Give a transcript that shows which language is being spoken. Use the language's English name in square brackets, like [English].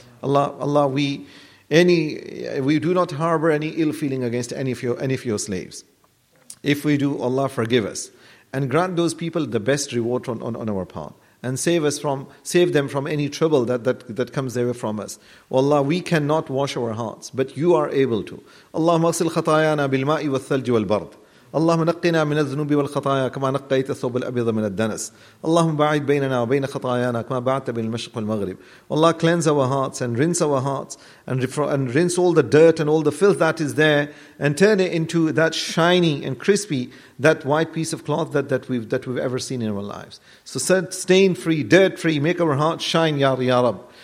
[English] Allah, we do not harbor any ill feeling against any of your slaves. If we do, Allah forgive us and grant those people the best reward on our part, and save them from any trouble that comes away from us. Allah, we cannot wash our hearts, but you are able to. [Arabic] Allahumma aghsil khatayana bil ma'i wal thalj wal bard. اللهم نقنا من الذنوب والخطايا كما نقيت الثوب الأبيض من الدنس. اللهم بعيد بيننا وبين خطايانا كما بعدت بين المشرق والمغرب. [English] Allah, cleanse our hearts and rinse our hearts and rinse all the dirt and all the filth that is there, and turn it into that shiny and crispy, that white piece of cloth that we've ever seen in our lives. So stain free, dirt free, make our hearts shine, Ya Rab.